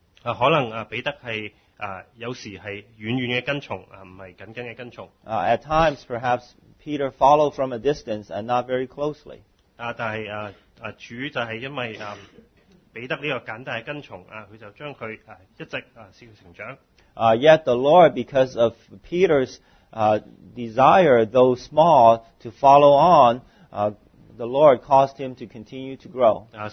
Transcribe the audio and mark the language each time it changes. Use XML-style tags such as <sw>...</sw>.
<yue>可能彼得係有時係遠遠嘅跟從，唔係緊緊嘅跟從。</yue> <en>At times, perhaps Peter followed from a distance and not very closely.</en> <yue>但係主就係因為。彼得呢個簡單嘅跟從，佢就將佢一直成長。</yue> <en>Yet the Lord, because of Peter's desire, though small, to follow on, the Lord caused him to continue to grow.</en>